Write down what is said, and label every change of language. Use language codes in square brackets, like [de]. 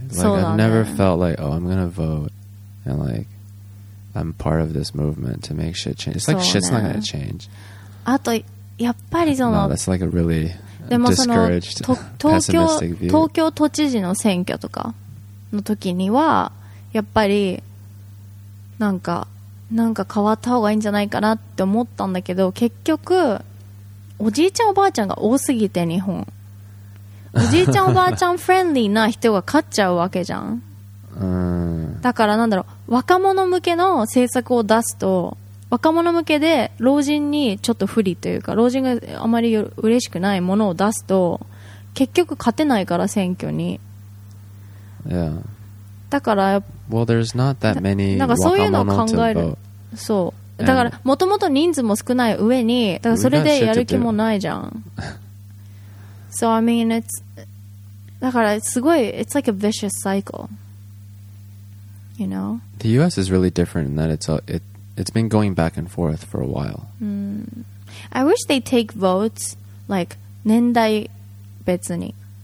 [en] Like I've never felt like, oh, I'm gonna vote and like. I'm part of this movement to make shit change. It's like shit's not gonna change. [ja] あとやっぱりその [en] no, that's like a really discouraged, pessimistic view. [ja] 東京都知事の選挙とかの時にはやっぱりなんか変わった方がいいんじゃないかなって思ったんだけど、結局おじいちゃんおばあちゃんが多すぎて、日本おじいちゃんおばあちゃんフレンリーな人が勝っちゃうわけじゃん。だからなんだろう、若者向けの政策を出すと若者向けで老人にちょっと不利というか、老人があまり嬉しくないものを出すと結局勝てないから、選挙に。 [en] yeah. [ja] だから [en] well, there's not that many [ja] 若者 [en] to vote. [ja] そう、だからもともと人数も少ない上に、だからそれでやる気もないじゃん。 [en] So I mean it's [ja] だからすごい、 [en] it's like a vicious cycle, you know. The U.S. is really different in that it's been going back and forth for a while. I wish they take votes like [ja] 年代別に。